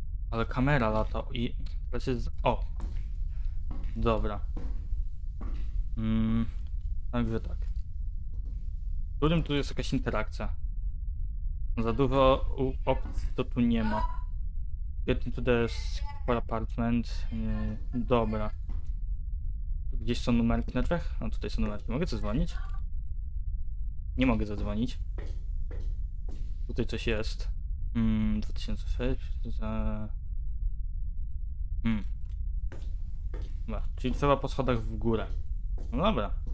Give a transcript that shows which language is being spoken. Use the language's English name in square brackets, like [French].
[Polish] Ale kamera lata i teraz jest... O! Dobra. Także tak. W którym tu jest jakaś interakcja? Za dużo opcji to tu nie ma. [English] Get into the square apartment. [Polish] Dobra. Gdzieś są numerki na drzwiach? No tutaj są numerki. Mogę zadzwonić? Nie mogę zadzwonić. Tutaj coś jest. 2006 za... Dobra, czyli trzeba po schodach w górę. No dobra.